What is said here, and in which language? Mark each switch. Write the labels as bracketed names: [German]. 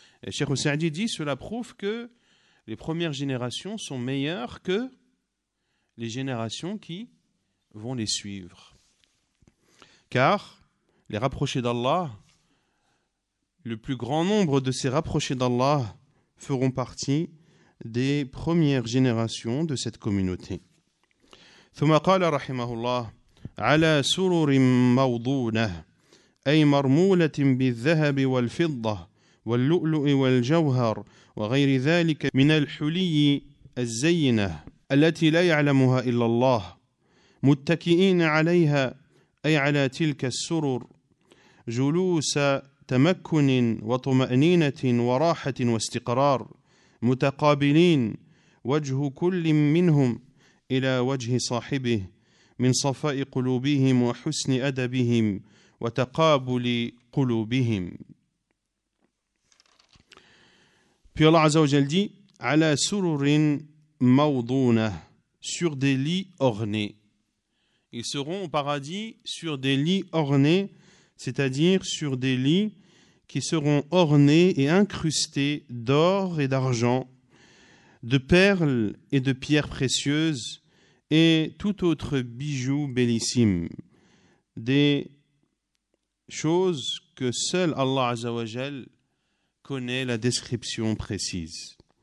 [French] Et Cheikh Saadi dit, cela prouve que les premières générations sont meilleures que les générations qui vont les suivre. Car les rapprochés d'Allah, le plus grand nombre de ces rapprochés d'Allah feront partie des premières générations de cette communauté. [Arabic] ثم قال رحمه الله على سرر موضونة أي مرمولة بالذهب والفضة واللؤلؤ والجوهر وغير ذلك من الحلي الزينة التي لا يعلمها إلا الله متكئين عليها أي على تلك السرر جلوس تمكن وطمأنينة وراحة واستقرار متقابلين وجه كل منهم إلى وجه صاحبه من صفاء قلوبهم وحسن أدبهم وتقابل قلوبهم. [French] Puis Allah Azza wa Jal dit, [Arabic] على سرر موضونة, [French] sur des lits ornés. Ils seront au paradis sur des lits ornés, c'est-à-dire sur des lits qui seront ornés et incrustés d'or et d'argent, de perles et de pierres précieuses, et tout autre bijou bellissime, des choses que seul Allah Azza wa Jal connaît la description précise.